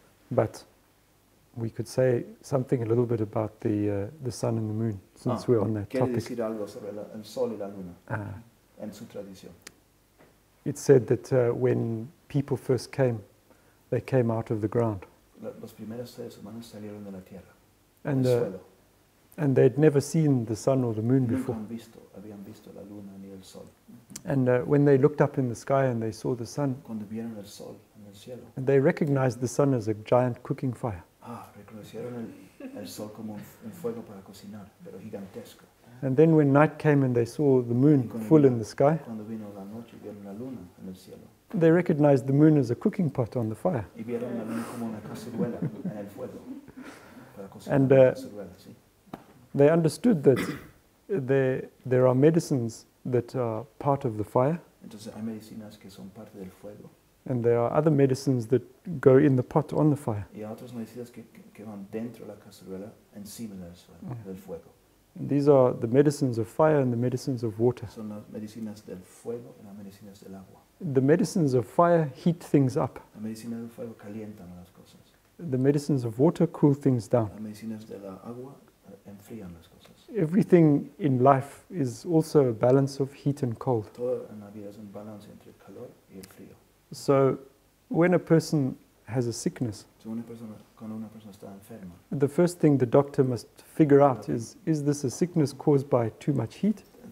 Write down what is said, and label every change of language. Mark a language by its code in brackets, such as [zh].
[en] But we could say something a little bit about the sun and the moon, since we're on that topic. [es] Quiere decir algo sobre el sol y la luna en su tradición. [en] It said that when people first came, they came out of the ground. [es] Los primeros seres humanos salieron de la tierra, [en] and they'd never seen the sun or the moon before. [es] Habían visto la luna ni el sol. [en] And when they looked up in the sky and they saw the sun, [es] cuando vieron el sol en el cielo, [en] and they recognized the sun as a giant cooking fire. [es] Reconocieron el sol como un fuego para cocinar, pero gigantesco. [en] And then when night came and they saw the moon full in the sky, [es] cuando vino la noche, vieron la luna en el cielo, [en] they recognized the moon as a cooking pot on the fire. [es] Y vieron la luna como una cacerola en el fuego para cocinar. [en] And they understood that there are medicines that are part of the fire. [es] Entonces, hay medicinas que son parte del fuego. [en] And there are other medicines that go in the pot on the fire. [es] Y otras medicinas que van dentro de la cacerola encima del fuego. [en] And these are the medicines of fire and the medicines of water. [es] Son las medicinas del fuego y las medicinas del agua. [en] The medicines of fire heat things up. [es] La medicina del fuego calientan las cosas. [en] The medicines of water cool things down. [es] Las medicinas del agua enfrían las cosas. [en] Everything in life is also a balance of heat and cold. [es] Todo en la vida es un balance entre el calor y el frío. [en] So when a person has a sickness, the first thing the doctor must figure out is this a sickness caused by too much heat?